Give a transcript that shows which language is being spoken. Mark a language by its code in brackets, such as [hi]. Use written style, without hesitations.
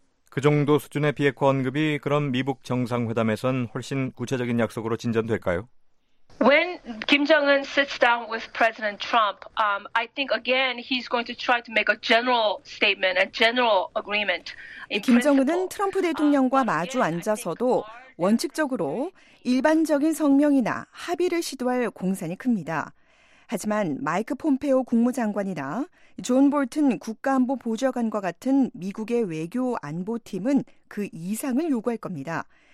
[ko] 그 정도 수준의 비핵화 언급이 그럼 미북 정상회담에선 훨씬 구체적인 약속으로 진전될까요? [en] When Kim Jong-un sits down with President Trump, I think again he's going to try to make a general statement, a general agreement. [ko] 김정은은 트럼프 대통령과 마주 앉아서도 원칙적으로 일반적인 성명이나 합의를 시도할 공산이 큽니다. 하지만 마이크 폼페오 국무장관이나 존 볼튼 국가안보보좌관과 같은 미국의 외교안보팀은 그 이상을 요구할 겁니다.